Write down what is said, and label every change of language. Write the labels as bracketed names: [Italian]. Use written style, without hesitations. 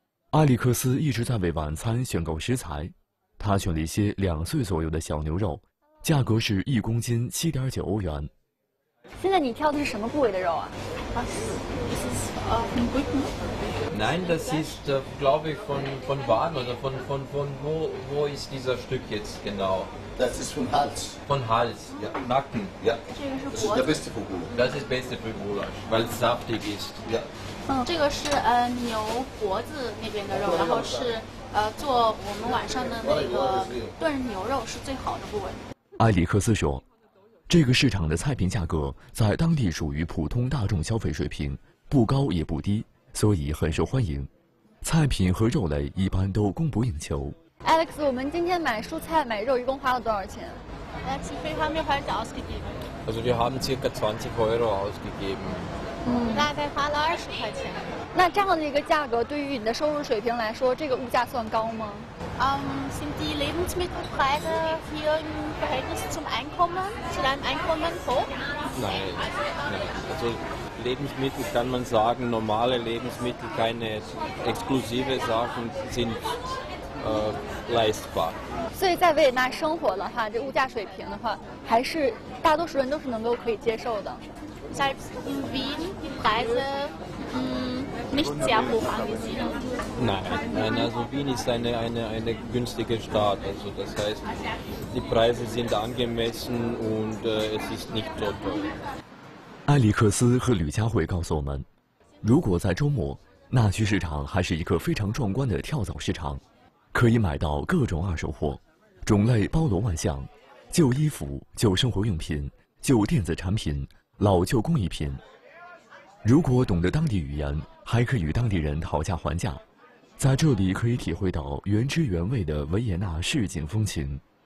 [Chinese] 艾利克斯一直在为晚餐选购食材，他选了一些2岁左右的小牛肉，价格是1公斤7.9欧元。现在你挑的是什么部位的肉啊？ [German] Nein, das ist, glaube ich, von Wagen oder von wo ist dieser Stück jetzt genau? Das ist von Hals. Von Hals, ja. Nacken, ja. Das ist der beste für Gulasch. Das ist beste für Gulasch, weil es saftig ist. Ja. [Chinese] 这个是牛脖子那边的肉，然后是做我们晚上的那个炖牛肉是最好的部位。埃里克斯说，这个市场的菜品价格在当地属于普通大众消费水平，不高也不低，所以很受欢迎，菜品和肉类一般都供不应求。 Alex， 我们今天买蔬菜买肉一共花了多少钱？ [German] Alex， wir haben circa 20 Euro ausgegeben。 [Chinese] 大概花了20块钱。那这样的一个价格，对于你的收入水平来说，这个物价算高吗？ [German] sind die Lebensmittelpreise hier im Verhältnis zum Einkommen, zu deinem Einkommen hoch? Nein. Also Lebensmittel kann man sagen, normale Lebensmittel, keine exklusive Sachen sind leistbar. [Chinese] 所以在维也纳生活的话，这物价水平的话，还是大多数人都是能够可以接受的。 [German] Selbst in Wien die Preise nicht sehr hoch angesiedelt. Nein, also Wien ist eine günstige Stadt. Also das heißt, die Preise sind angemessen und es ist nicht so teuer. [Chinese] 埃里克斯和吕佳慧告诉我们，如果在周末，那区市场还是一个非常壮观的跳蚤市场，可以买到各种二手货，种类包罗万象，旧衣服、旧生活用品、旧电子产品。老旧工艺品，如果懂得当地语言，还可以与当地人讨价还价，在这里可以体会到原汁原味的维也纳市井风情。